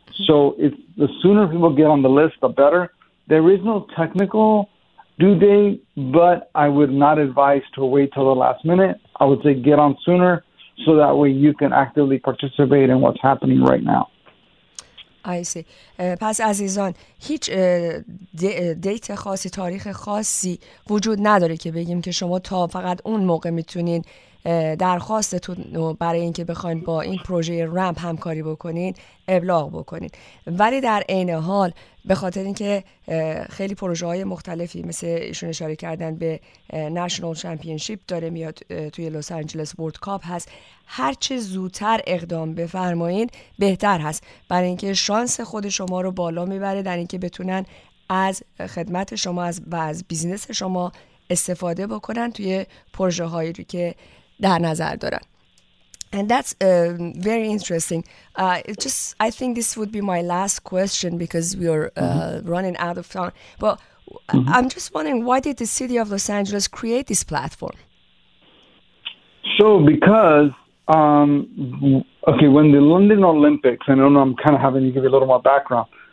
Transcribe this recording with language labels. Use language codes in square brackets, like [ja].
[en] So if the sooner people get on the list, the better. There is no technical due date, but I would not advise to wait till the last minute. I would say get on sooner, so that way you can actively participate in what's happening right now. I see. [fa] پس عزیزان هیچ دیت خاصی تاریخ خاصی وجود نداره که بگیم که شما تا فقط اون موقع میتونین درخواستتون رو برای اینکه بخواید با این پروژه رمپ همکاری بکنین ابلاغ بکنین، ولی در عین حال به خاطر اینکه خیلی پروژه های مختلفی مثل ایشون اشاره کردن به نشنال چمپینشیپ داره میاد توی لس آنجلس، ورلد کاپ هست، هر چه زودتر اقدام بفرمایین بهتر هست، برای اینکه شانس خود شما رو بالا میبره در اینکه بتونن از خدمت شما و از بیزینس شما استفاده بکنن توی پروژه هایی رو که در نظر دارن. [en] And that's very interesting. I think this would be my last question because we are running out of time. But I'm just wondering, why did the city of Los Angeles create this platform? So because, when the London Olympics, and I know I'm kind of having to give you a little more background.